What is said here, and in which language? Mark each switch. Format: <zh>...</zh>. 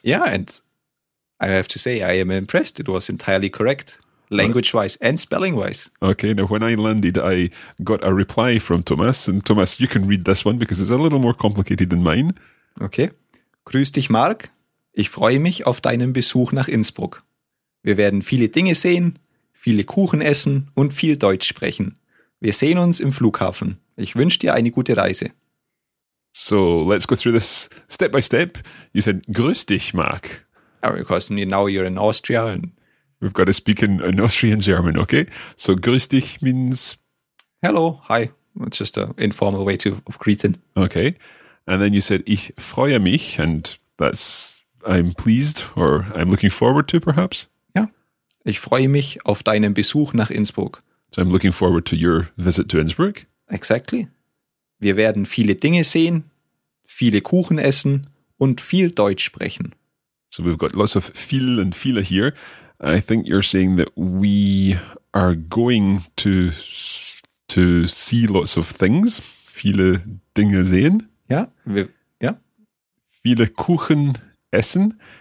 <en>Yeah, and I have to say I am impressed. It was entirely correct. Language-wise and spelling-wise. Okay, now when I landed, I got a reply from Thomas. And Thomas, you can read this one because it's a little more complicated than mine.</en> <de>Okay. Grüß dich, Mark. Ich freue mich auf deinen Besuch nach Innsbruck. Wir werden viele Dinge sehen, viele Kuchen essen und viel Deutsch sprechen. Wir sehen uns im Flughafen. Ich wünsche dir eine gute Reise.</de> <en>So, let's go through this step by step. You said,</en> <de>grüß dich,</de> <en>Mark. Because now you're in Austria and... We've got to speak in Austrian German, okay? So,</en> <de>grüß dich</de> <en>means... Hello, hi. It's just an informal way of greeting. Okay. And then you said,</en> <de>ich freue mich,</de> <en>and that's, I'm pleased, or I'm looking forward to, perhaps? Yeah.</en> <de>Ich freue mich auf deinen Besuch nach Innsbruck.</de> <en>So, I'm looking forward to your visit to Innsbruck? Exactly.</en> <de>Wir werden viele Dinge sehen, viele Kuchen essen und viel Deutsch sprechen.</de> <en>So, we've got lots of viel and viele here. I think you're saying that we are going to see lots of things.</en> <de>Viele Dinge sehen.</de> <en>Yeah.</en> <de>Viele Kuchen essen.</de>